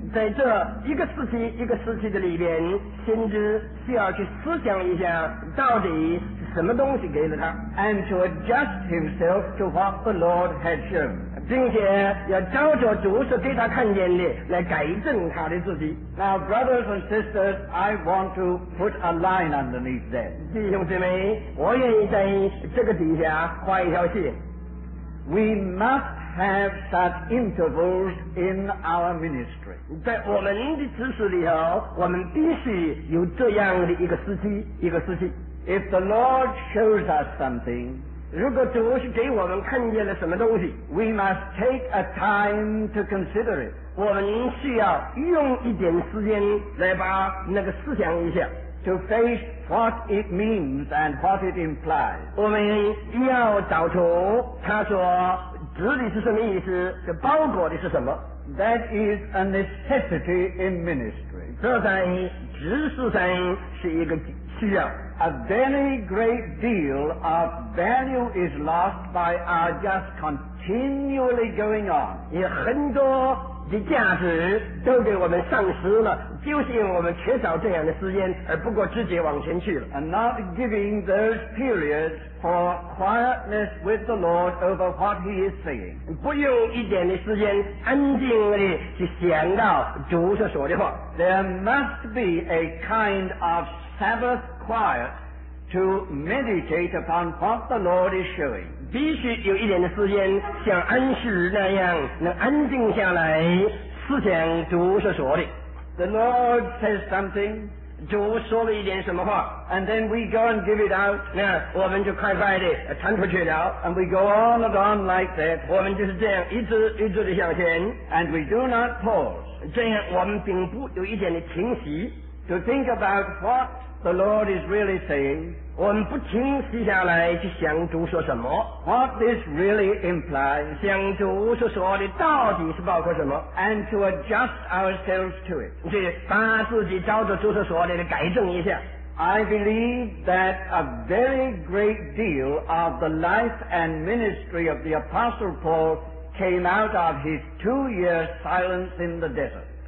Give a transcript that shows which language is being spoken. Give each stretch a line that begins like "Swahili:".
Chinese: 在这一个时期一个时期的里边，先知需要去思想一下到底是什么东西给了他，
English: and to adjust himself to what the Lord had shown，
Chinese: 并且要照着主所给他看见的来改正他的自己。
English: Now brothers and sisters, I want to put a line underneath that.
Chinese: 弟兄姊妹，我愿意在这个底下画一条线。
English: We must have such intervals in our ministry.
Chinese: 在我们的职事里头，我们必须有这样的一个时期，一个时期。
English: If the Lord shows us something,
Chinese: 如果主是给我们看见了什么东西，
English: we must take a time to consider it.
Chinese: 我们需要用一点时间来把那个思想一下。
English: To face what it means and what it implies.
Chinese: 我们要找出他说指的是什么意思，这包裹的是什么。
English: That is a necessity in ministry.
Chinese: 这在职事上是一个需要。
English: A very great deal of value is lost by our just continually going on.
Chinese: 有很多的价值都给我们丧失了，就是因为我们缺少这样的时间，而不过直接往前去了。
English: And not giving those periods for quietness with the Lord over what he is saying.
Chinese: 不用一点的时间安静地去想到主所说的话。
English: There must be a kind of Sabbath quiet to meditate upon what the Lord is showing.
Chinese: 必须有一点的时间，像安息日那样能安静下来思想主所说的。
English: The Lord says something.
Chinese: 主说了一点什么话,
English: and then we go and give it out.
Chinese: 那我们就快快地传出去了,
English: and we go on and on like that.
Chinese: 我们就是这样一直一直地向前,
English: and we do not pause.
Chinese: 这样我们并不有一点的停息,
English: to think about what the Lord is really saying.
Chinese: 我们不停息下来去想主说什么,
English: what this really implies.
Chinese: 想主所说的到底是包括什么,
English: and to adjust ourselves to it.
Chinese: 去把自己照着主所说的改正一下。
English: I believe that a very great deal of the life and ministry of the Apostle Paul came out of his 2 years silence in the desert.